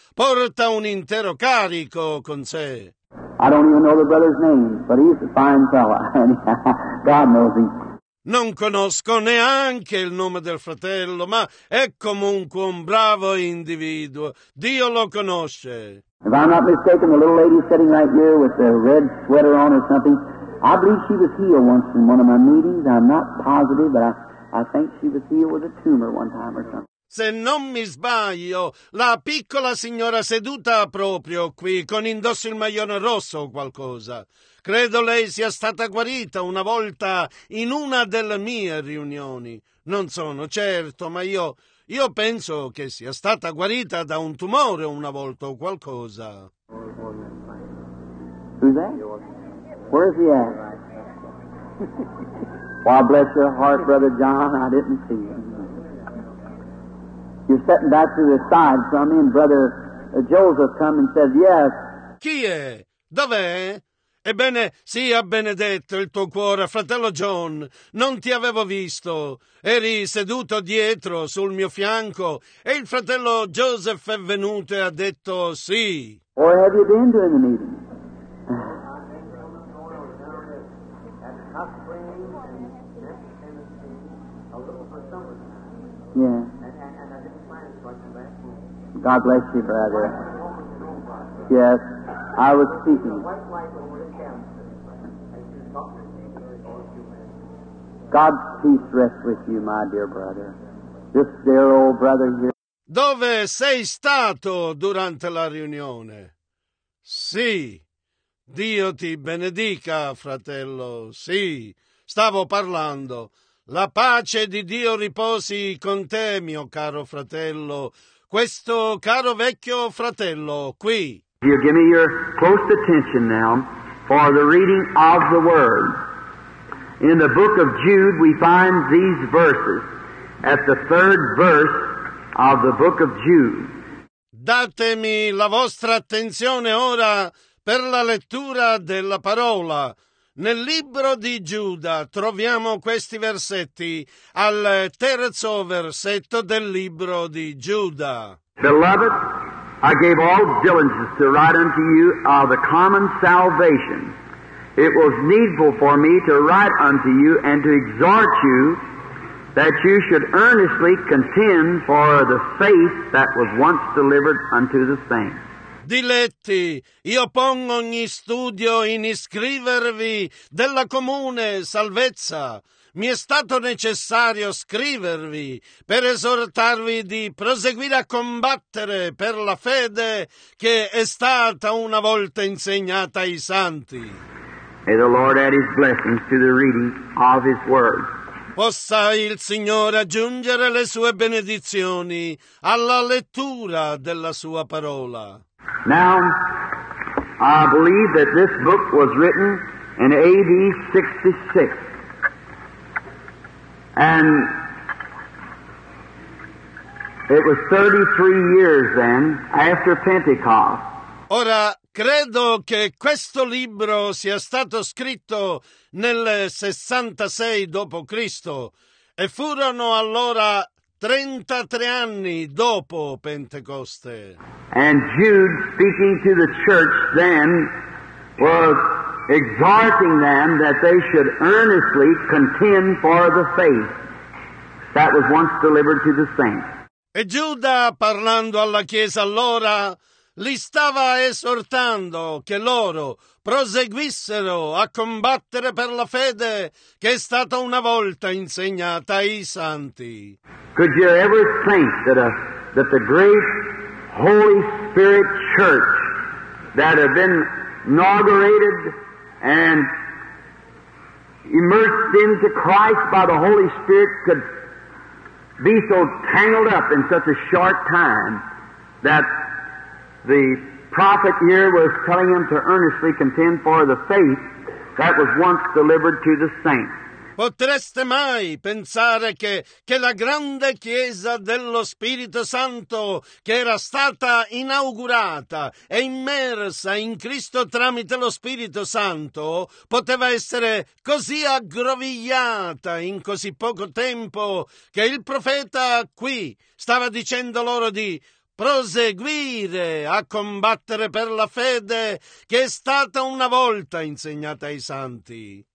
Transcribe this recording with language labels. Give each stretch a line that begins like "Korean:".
Italian: Porta un intero carico con sé.
English: I don't even know the brother's name, but he's a fine fella. God knows him.
Italian: Non conosco neanche il nome del fratello, ma è comunque un bravo individuo. Dio lo conosce.
English: If I'm not mistaken, the little lady sitting right here with the red sweater on or something, I believe she was healed once in one of my meetings. I'm not positive, but I think she was healed with a tumor one time or something.
Italian: Se non mi sbaglio, la piccola signora seduta proprio qui, con indosso il maglione rosso o qualcosa. Credo lei sia stata guarita una volta in una delle mie riunioni. Non sono certo, ma io penso che sia stata guarita da un tumore una volta o qualcosa.
English: Who's that? Where is he at? Well, bless your heart, Brother John, I didn't see you. You're sitting back to the side from me, and Brother Joseph come and says, yes.
Italian: Chi è? Dov'è? Ebbene, sia benedetto il tuo cuore, fratello John. Non ti avevo visto. Eri seduto dietro sul mio fianco, e il fratello Joseph è venuto e ha detto sì.
English: Where have you been during the meeting? God bless you, brother. Yes, I was speaking. God's peace rest with you, my dear brother. This dear old brother here.
Italian: Dove sei stato durante la riunione? Sì. Dio ti benedica, fratello. Sì. Stavo parlando. La pace di Dio riposi con te, mio caro fratello. Questo caro vecchio fratello qui.
English: You give me your close attention now for the reading of the word. In the book of Jude, we find these verses at the third verse of the book of Jude.
Italian: Datemi la vostra attenzione ora per la lettura della parola. Nel libro di Giuda troviamo questi versetti al terzo versetto del libro di Giuda.
English: Beloved, I gave all diligence to write unto you of the common salvation. It was needful for me to write unto you and to exhort you that you should earnestly contend for the faith that was once delivered unto the saints.
Italian: Diletti, io pongo ogni studio in iscrivervi della comune salvezza. Mi è stato necessario scrivervi per esortarvi di proseguire a combattere per la fede che è stata una volta insegnata ai santi.
English: May the Lord add his blessings to the reading of his word.
Italian: Possa il Signore aggiungere le sue benedizioni alla lettura della sua parola.
English: Now, I believe that this book was written in A.D. 66. And it was 33 years then, after Pentecost.
Italian: Ora, credo che questo libro sia stato scritto nel 66 dopo Cristo. E furono allora 33 anni dopo Pentecoste.
English: And Jude, speaking to the church then, was exhorting them that they should earnestly contend for the faith that was once delivered to the saints.
Italian: E Giuda, parlando alla chiesa allora, li stava esortando che loro proseguissero a combattere per la fede che è stata una volta insegnata ai santi.
English: Could you ever think that that the great Holy Spirit Church that had been inaugurated and immersed into Christ by the Holy Spirit could be so tangled up in such a short time that the prophet here was telling him to earnestly contend for the faith that was once delivered to the saints?
Italian: Potreste mai pensare che la grande chiesa dello Spirito Santo, che era stata inaugurata e immersa in Cristo tramite lo Spirito Santo, poteva essere così aggrovigliata in così poco tempo, che il profeta qui stava dicendo loro di proseguire a combattere per la fede che è stata una volta insegnata ai santi.